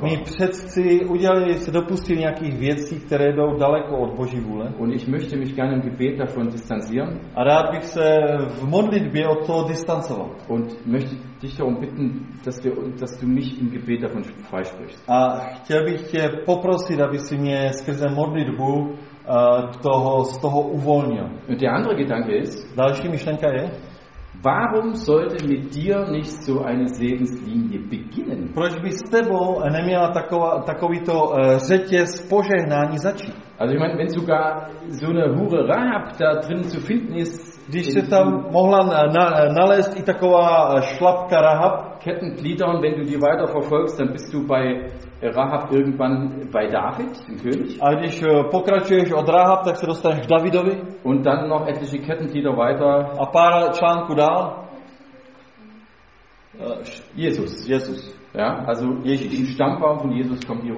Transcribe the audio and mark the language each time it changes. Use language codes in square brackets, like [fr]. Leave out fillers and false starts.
[de] waren. [cs] Mí předci udělali, se dopustili nějakých věcí, které jdou daleko od Boží vůle. [de] Und ich möchte mich gerne im Gebet davon distanzieren. [cs] A rád bych se v modlitbě od toho distancoval. [de] Und möchte dich darum bitten, dass du mich im Gebet davon freisprichst. [cs] A chtěl bych tě poprosit, aby si mě skrze modlitbu z toho uvolnil. [de] Und der andere Gedanke ist, [cs] další myšlenka je, [de] warum sollte mit dir nicht so eine Segenslinie beginnen? [cs] Proč by s tebou neměla takovýto řetěz požehnání začít? [de] Also ich meine, wenn sogar so eine Hure Rahab da drin zu finden ist, [cs] když se tam mohla nalézt i taková šlapka Rahab, [de] Kettengliedern, wenn du die weiter verfolgst, dann bist du bei Rahab irgendwann bei David, dem König. [cs] A když pokračuješ od Rahab, tak se dostaneš k Davidovi. [de] Und dann noch etliche Kettenglieder weiter. [cs] A pár článků dál. [de] Jesus. Ja, also Ježíš. Im Stammbaum von Jesus kommt hier.